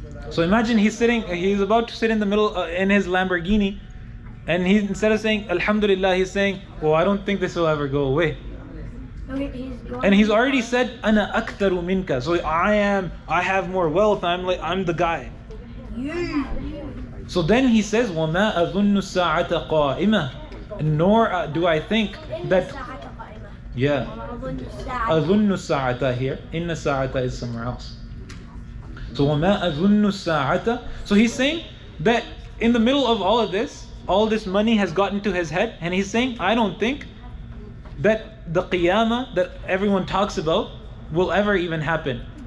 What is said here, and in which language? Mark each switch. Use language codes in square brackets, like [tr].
[en] So imagine he's about to sit in the middle in his Lamborghini, and he, instead of saying Alhamdulillah, he's saying, oh, I don't think this will ever go away. And he's already said, [ar] Ana aktaru minka. [en] So I have more wealth, I'm the guy. So then he says, [ar] وَمَا أَظُنُّ السَّاعَةَ قَائِمَةً [en] Nor do I think that... Yeah. [ar] أَظُنُّ السَّاعَةَ [en] here. [ar] إِنَّ السَّاعَةَ [en] is somewhere else. So [ar] وَمَا أَظُنُّ السَّاعَةَ [en] So he's saying that in the middle of all this money has gotten to his head, and he's saying, I don't think that the qiyamah that everyone talks about will ever even happen.